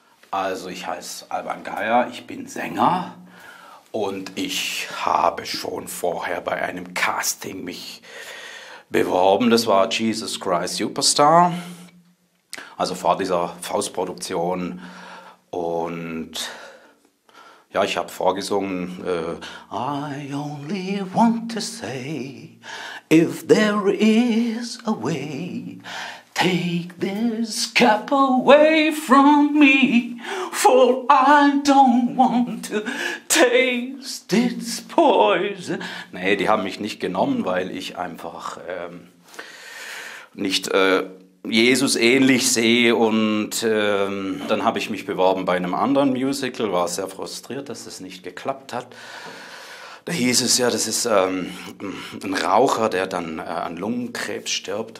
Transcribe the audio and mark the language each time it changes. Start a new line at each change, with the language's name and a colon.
German: Also, ich heiße Alban Geier, ich bin Sänger und ich habe schon vorher bei einem Casting mich beworben. Das war Jesus Christ Superstar, also vor dieser Faustproduktion. Und ja, ich habe vorgesungen,
English: I only want to say, if there is a way, take this cap away from me, for I don't want to taste its poison.
German: Nee, die haben mich nicht genommen, weil ich einfach nicht Jesus ähnlich sehe. Und dann habe ich mich beworben bei einem anderen Musical, war sehr frustriert, dass es nicht geklappt hat. Da hieß es ja, das ist ein Raucher, der dann an Lungenkrebs stirbt.